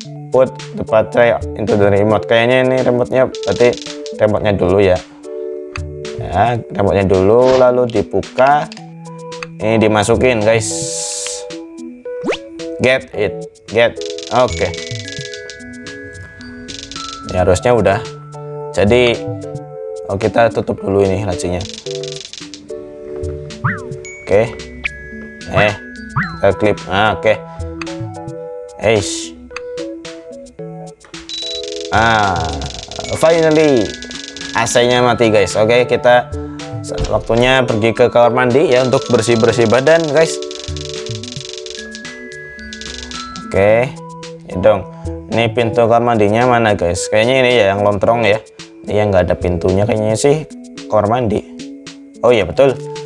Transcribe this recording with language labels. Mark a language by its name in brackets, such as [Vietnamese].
[English] put the patch into the remote. [Indonesian] Kayaknya ini remote-nya, berarti remote-nya dulu ya. Ya, remote-nya dulu lalu dibuka. Ini dimasukin, guys. [English] Get it. Get. Oke. Okay. [Indonesian] Ini harusnya udah. Jadi oh, kita tutup dulu ini lacinya. Oke. Okay. Eh, kita klip. Ah, oke. Okay. Eish. Ah, finally AC-nya mati, guys. Oke, okay, kita waktunya pergi ke kamar mandi ya untuk bersih-bersih badan, guys. Oke. Okay. Ini dong. Ini pintu kamar mandinya mana, guys? Kayaknya ini ya yang lontrong ya. Iya, nggak ada pintunya kayaknya sih, kamar mandi. Oh iya, betul.